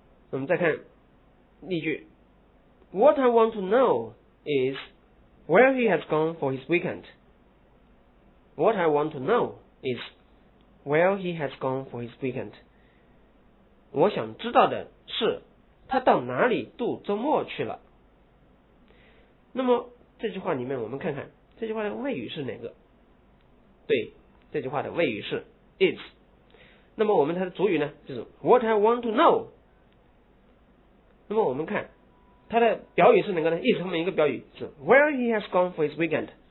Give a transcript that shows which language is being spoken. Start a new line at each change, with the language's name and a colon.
Chinese: 我们再看例句，
English: What I want to know is where he has gone for his weekend。 What I want to know is where he has gone for his weekend。
Chinese: 我想知道的是他到哪里度周末去了。那么这句话里面我们看看这句话的谓语是哪个。对，这句话的谓语是 is。那么我们他的主语呢就是
English: what I want to know。
Chinese: 那么我们看他的表语是哪个呢？
English: is
Chinese: 后面一个表语是
English: where he has gone for his weekend。